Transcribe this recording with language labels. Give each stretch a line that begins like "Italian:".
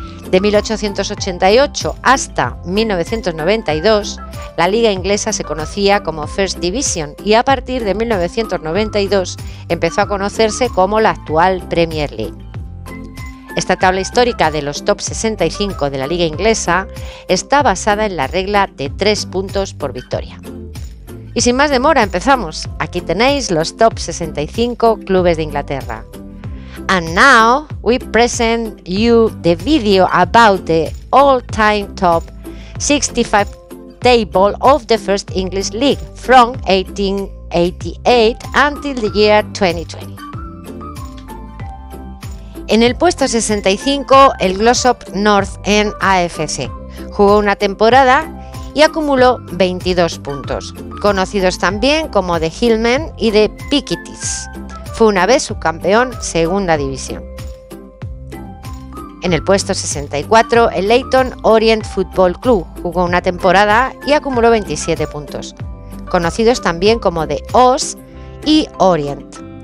Spanish: De 1888 hasta 1992, la liga inglesa se conocía como First Division y a partir de 1992 empezó a conocerse como la actual Premier League. Esta tabla histórica de los top 65 de la liga inglesa está basada en la regla de 3 puntos por victoria. Y sin más demora, empezamos. Aquí tenéis los top 65 clubes de Inglaterra.
English: And now we present you the video about the all-time top 65 table of the first English league from 1888 until the year 2020.
Spanish: En el puesto 65, el Glossop North End AFC jugó una temporada y acumuló 22 puntos, conocidos también como The Hillmen y The Pickettys. Fue una vez subcampeón segunda división. En el puesto 64, el Leyton Orient Football Club jugó una temporada y acumuló 27 puntos, conocidos también como The Os y Orient.